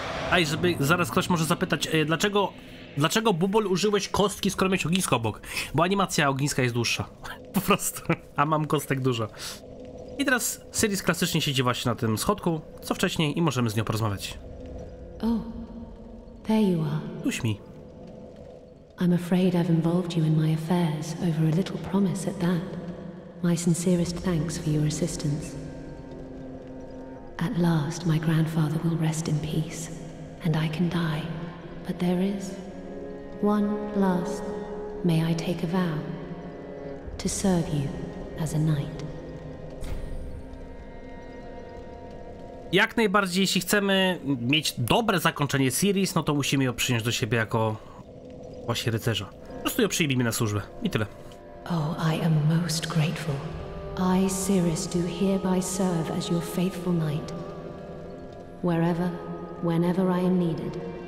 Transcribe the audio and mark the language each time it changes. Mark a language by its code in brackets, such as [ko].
[pl] Aj, żeby zaraz ktoś może zapytać, dlaczego Bubol użyłeś kostki, skoro miałeś ognisko obok? Bo animacja ogniska jest dłuższa. Po prostu. A mam kostek dużo. I teraz Ciris klasycznie siedzi właśnie na tym schodku, co wcześniej, i możemy z nią porozmawiać. [en] O, oh, there you are. [pl] Tuś mi. [en] I'm afraid I've involved you in my affairs over a little promise at that. My sincerest thanks for your assistance. At last my grandfather will rest in peace. And I can die, but there is one last, may I take a vow, to serve you as a knight. [pl] Jak najbardziej, jeśli chcemy mieć dobre zakończenie series, no to musimy ją przyjąć do siebie jako właśnie rycerza. Po prostu ją przyjmijmy na służbę i tyle. [en] Oh, I am most grateful. I, Ciris, do hereby serve as your faithful knight. Wherever, whenever I am needed.